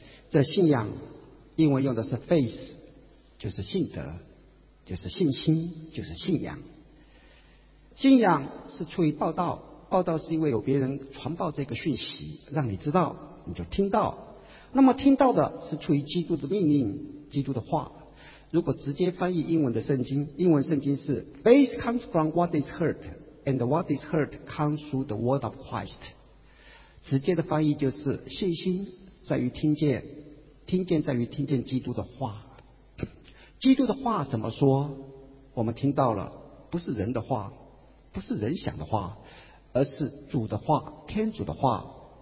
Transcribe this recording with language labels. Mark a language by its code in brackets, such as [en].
[zh] 这信仰英文用的是 faith， 就是信德，就是信心，就是信仰。信仰是出于报道，报道是因为有别人传报这个讯息，让你知道，你就听到。那么听到的是出于基督的命令，基督的话。如果直接翻译英文的圣经，英文圣经是 [en] Faith comes from what is heard and what is heard comes through the word of Christ。 [zh] 直接的翻译就是信心在于听见，听见在于听见基督的话。基督的话怎么说？我们听到了，不是人的话，不是人想的话，而是主的话，天主的话。